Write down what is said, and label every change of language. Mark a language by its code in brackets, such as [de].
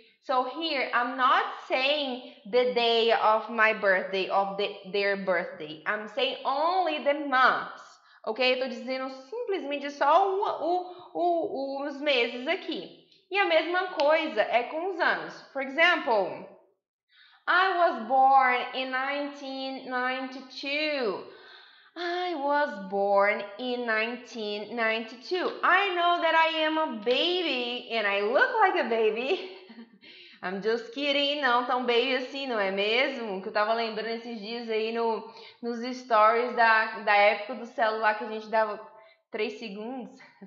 [en] So here, I'm not saying the day of my birthday, of their birthday. I'm saying only the months, ok? [pt] Eu tô dizendo simplesmente só os meses aqui. E a mesma coisa é com os anos. [en] For example, I was born in 1992. I was born in 1992. I know that I am a baby and I look like a baby. I'm just kidding. [pt] Não tão baby assim, não é mesmo? Que eu tava lembrando esses dias aí nos stories da época do celular que a gente dava 3 segundos.